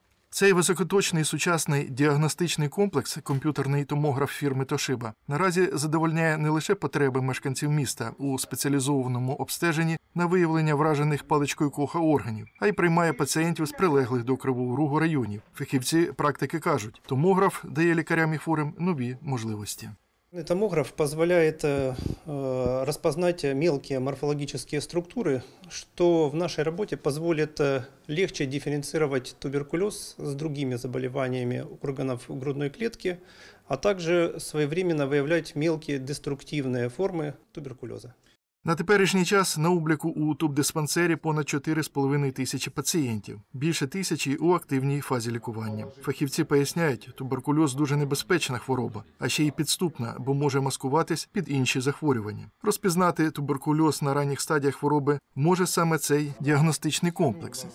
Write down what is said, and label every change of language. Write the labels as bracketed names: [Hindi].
[Ukrainian] Цей високоточний сучасний діагностичний комплекс, комп'ютерний томограф фірми Toshiba, наразі задовольняє не лише потреби мешканців міста у спеціалізованому обстеженні на виявлення вражених паличкою Коха органів, а й приймає пацієнтів з прилеглих до Кривого Рогу районів. Фахівці практики кажуть, томограф дає лікарям і хворим нові можливості. [Russian] Томограф позволяет распознать мелкие морфологические структуры, что в нашей работе позволит легче дифференцировать туберкулез с другими заболеваниями органов грудной клетки, а также своевременно выявлять мелкие деструктивные формы туберкулеза. [Ukrainian] На теперішній час на обліку у тубдиспансері понад 4,5 тисячі пацієнтів. Більше тисячі у активній фазі лікування. Фахівці поясняють, туберкульоз дуже небезпечна хвороба, а ще й підступна, бо може маскуватись під інші захворювання. Розпізнати туберкульоз на ранніх стадіях хвороби може саме цей діагностичний комплекс.